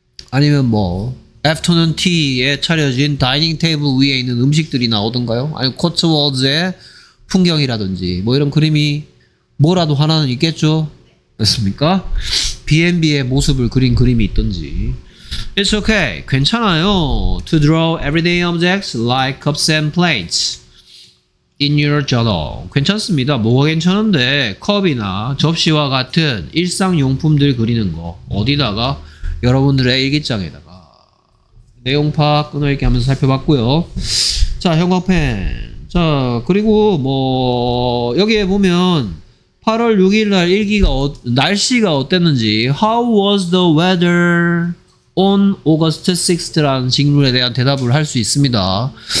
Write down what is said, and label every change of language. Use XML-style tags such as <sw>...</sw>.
<ko>아니면 뭐 afternoon tea에 차려진 다이닝 테이블 위에 있는 음식들이 나오던가요? 아니면 코츠워즈의 풍경이라든지 뭐 이런 그림이 뭐라도 하나는 있겠죠? 맞습니까? B&B의 모습을 그린 그림이 있던지.</ko> <en>It's okay.</en> <ko>괜찮아요.</ko> <en>To draw everyday objects like cups and plates in your journal.</en> <ko>괜찮습니다. 뭐가 괜찮은데? 컵이나 접시와 같은 일상용품들 그리는 거. 어디다가? 여러분들의 일기장에다가. 내용 파악 끊어읽기 하면서 살펴봤고요. 자, 형광펜. 자, 그리고 뭐 여기에 보면 8월 6일 날 일기가 날씨가 어땠는지</ko> <en>How was the weather on August 6th</en> <ko>라는 질문에 대한 대답을 할 수 있습니다.</ko>